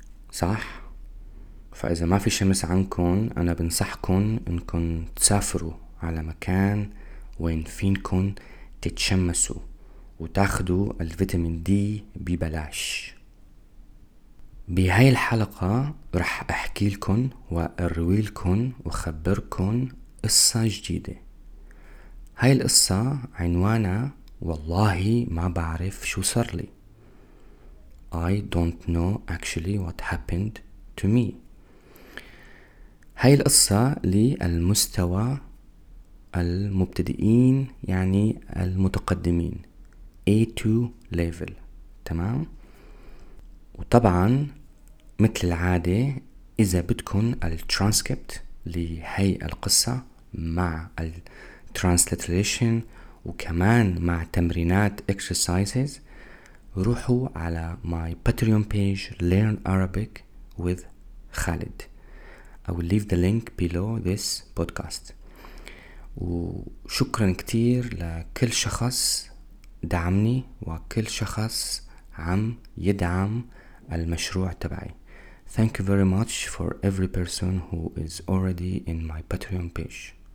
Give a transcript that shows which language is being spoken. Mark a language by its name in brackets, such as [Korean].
[Arabic] صح؟ فإذا ما في شمس عنكن أنا بنصحكن إنكن تسافروا على مكان وين فينكن تتشمسوا وتاخدوا الفيتامين دي ببلاش. بهاي الحلقة رح أحكي لكم وأروي لكم وخبركم قصة جديدة. هاي القصة عنوانها والله ما بعرف شو صار لي. [English] I don't know actually what happened to me. [Arabic] هاي القصة للمستوى المبتدئين يعني المتقدمين [English] A2 level، [Arabic] تمام؟ وطبعا مثل العادة إذا بدكن الترانسكريبت لهي القصة مع الترانسليتريشن وكمان مع تمرينات [English] exercises، [Arabic] روحوا على [English] my Patreon page Learn Arabic with Khalid. I will leave the link below this podcast. [Arabic] وشكرا كتير لكل شخص دعمني وكل شخص عم يدعم المشروع تبعي. [English] Thank you very much for every person who is already in my Patreon page.